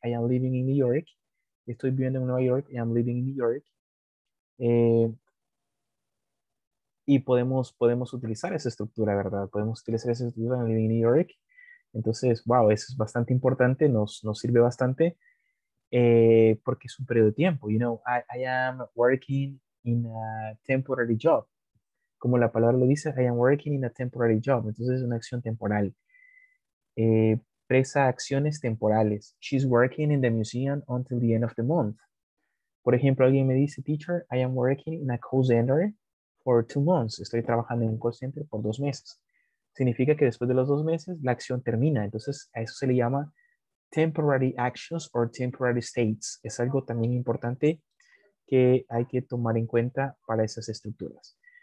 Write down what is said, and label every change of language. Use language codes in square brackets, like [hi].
[en] I am living in New York. [es] Estoy viviendo en Nueva York. [en] I am living in New York. [es] Y podemos utilizar esa estructura, ¿verdad? Podemos utilizar esa estructura en [en] living in New York. [es] Entonces, wow, eso es bastante importante, nos sirve bastante porque es un periodo de tiempo. [en] You know, I am working in a temporary job. [es] Como la palabra lo dice, [en] I am working in a temporary job. [es] Entonces, es una acción temporal. Presa acciones temporales. [en] She's working in the museum until the end of the month. [es] Por ejemplo, alguien me dice, teacher, [en] I am working in a call center for 2 months. [es] Estoy trabajando en un call center por 2 meses. Significa que después de los 2 meses la acción termina. Entonces, a eso se le llama [en] temporary actions or temporary states. [es] Es algo también importante que hay que tomar en cuenta para esas estructuras.